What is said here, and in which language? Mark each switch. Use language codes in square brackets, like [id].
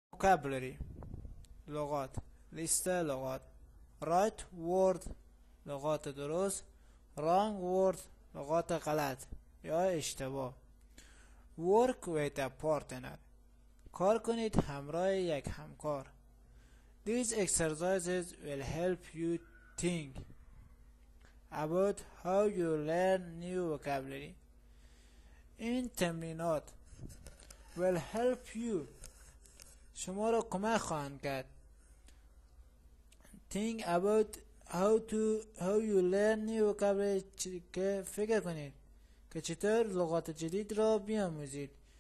[fa] vocabulary لغات، لیست لغات، [en] right word [fa] لغات درست، [en] wrong word [fa] لغات غلط یا اشتباه. [en] Work with a partner، [fa] کار کنید همراه یک همکار. [en] These exercises will help you think about how you learn new vocabulary. [fa] این تمرینات [en] will help you، [fa] شما را کمک خواهند کرد. [en] Think about how you learn new vocabulary، [fa] که فکر کنید که چطور لغات جدید را بیاموزید.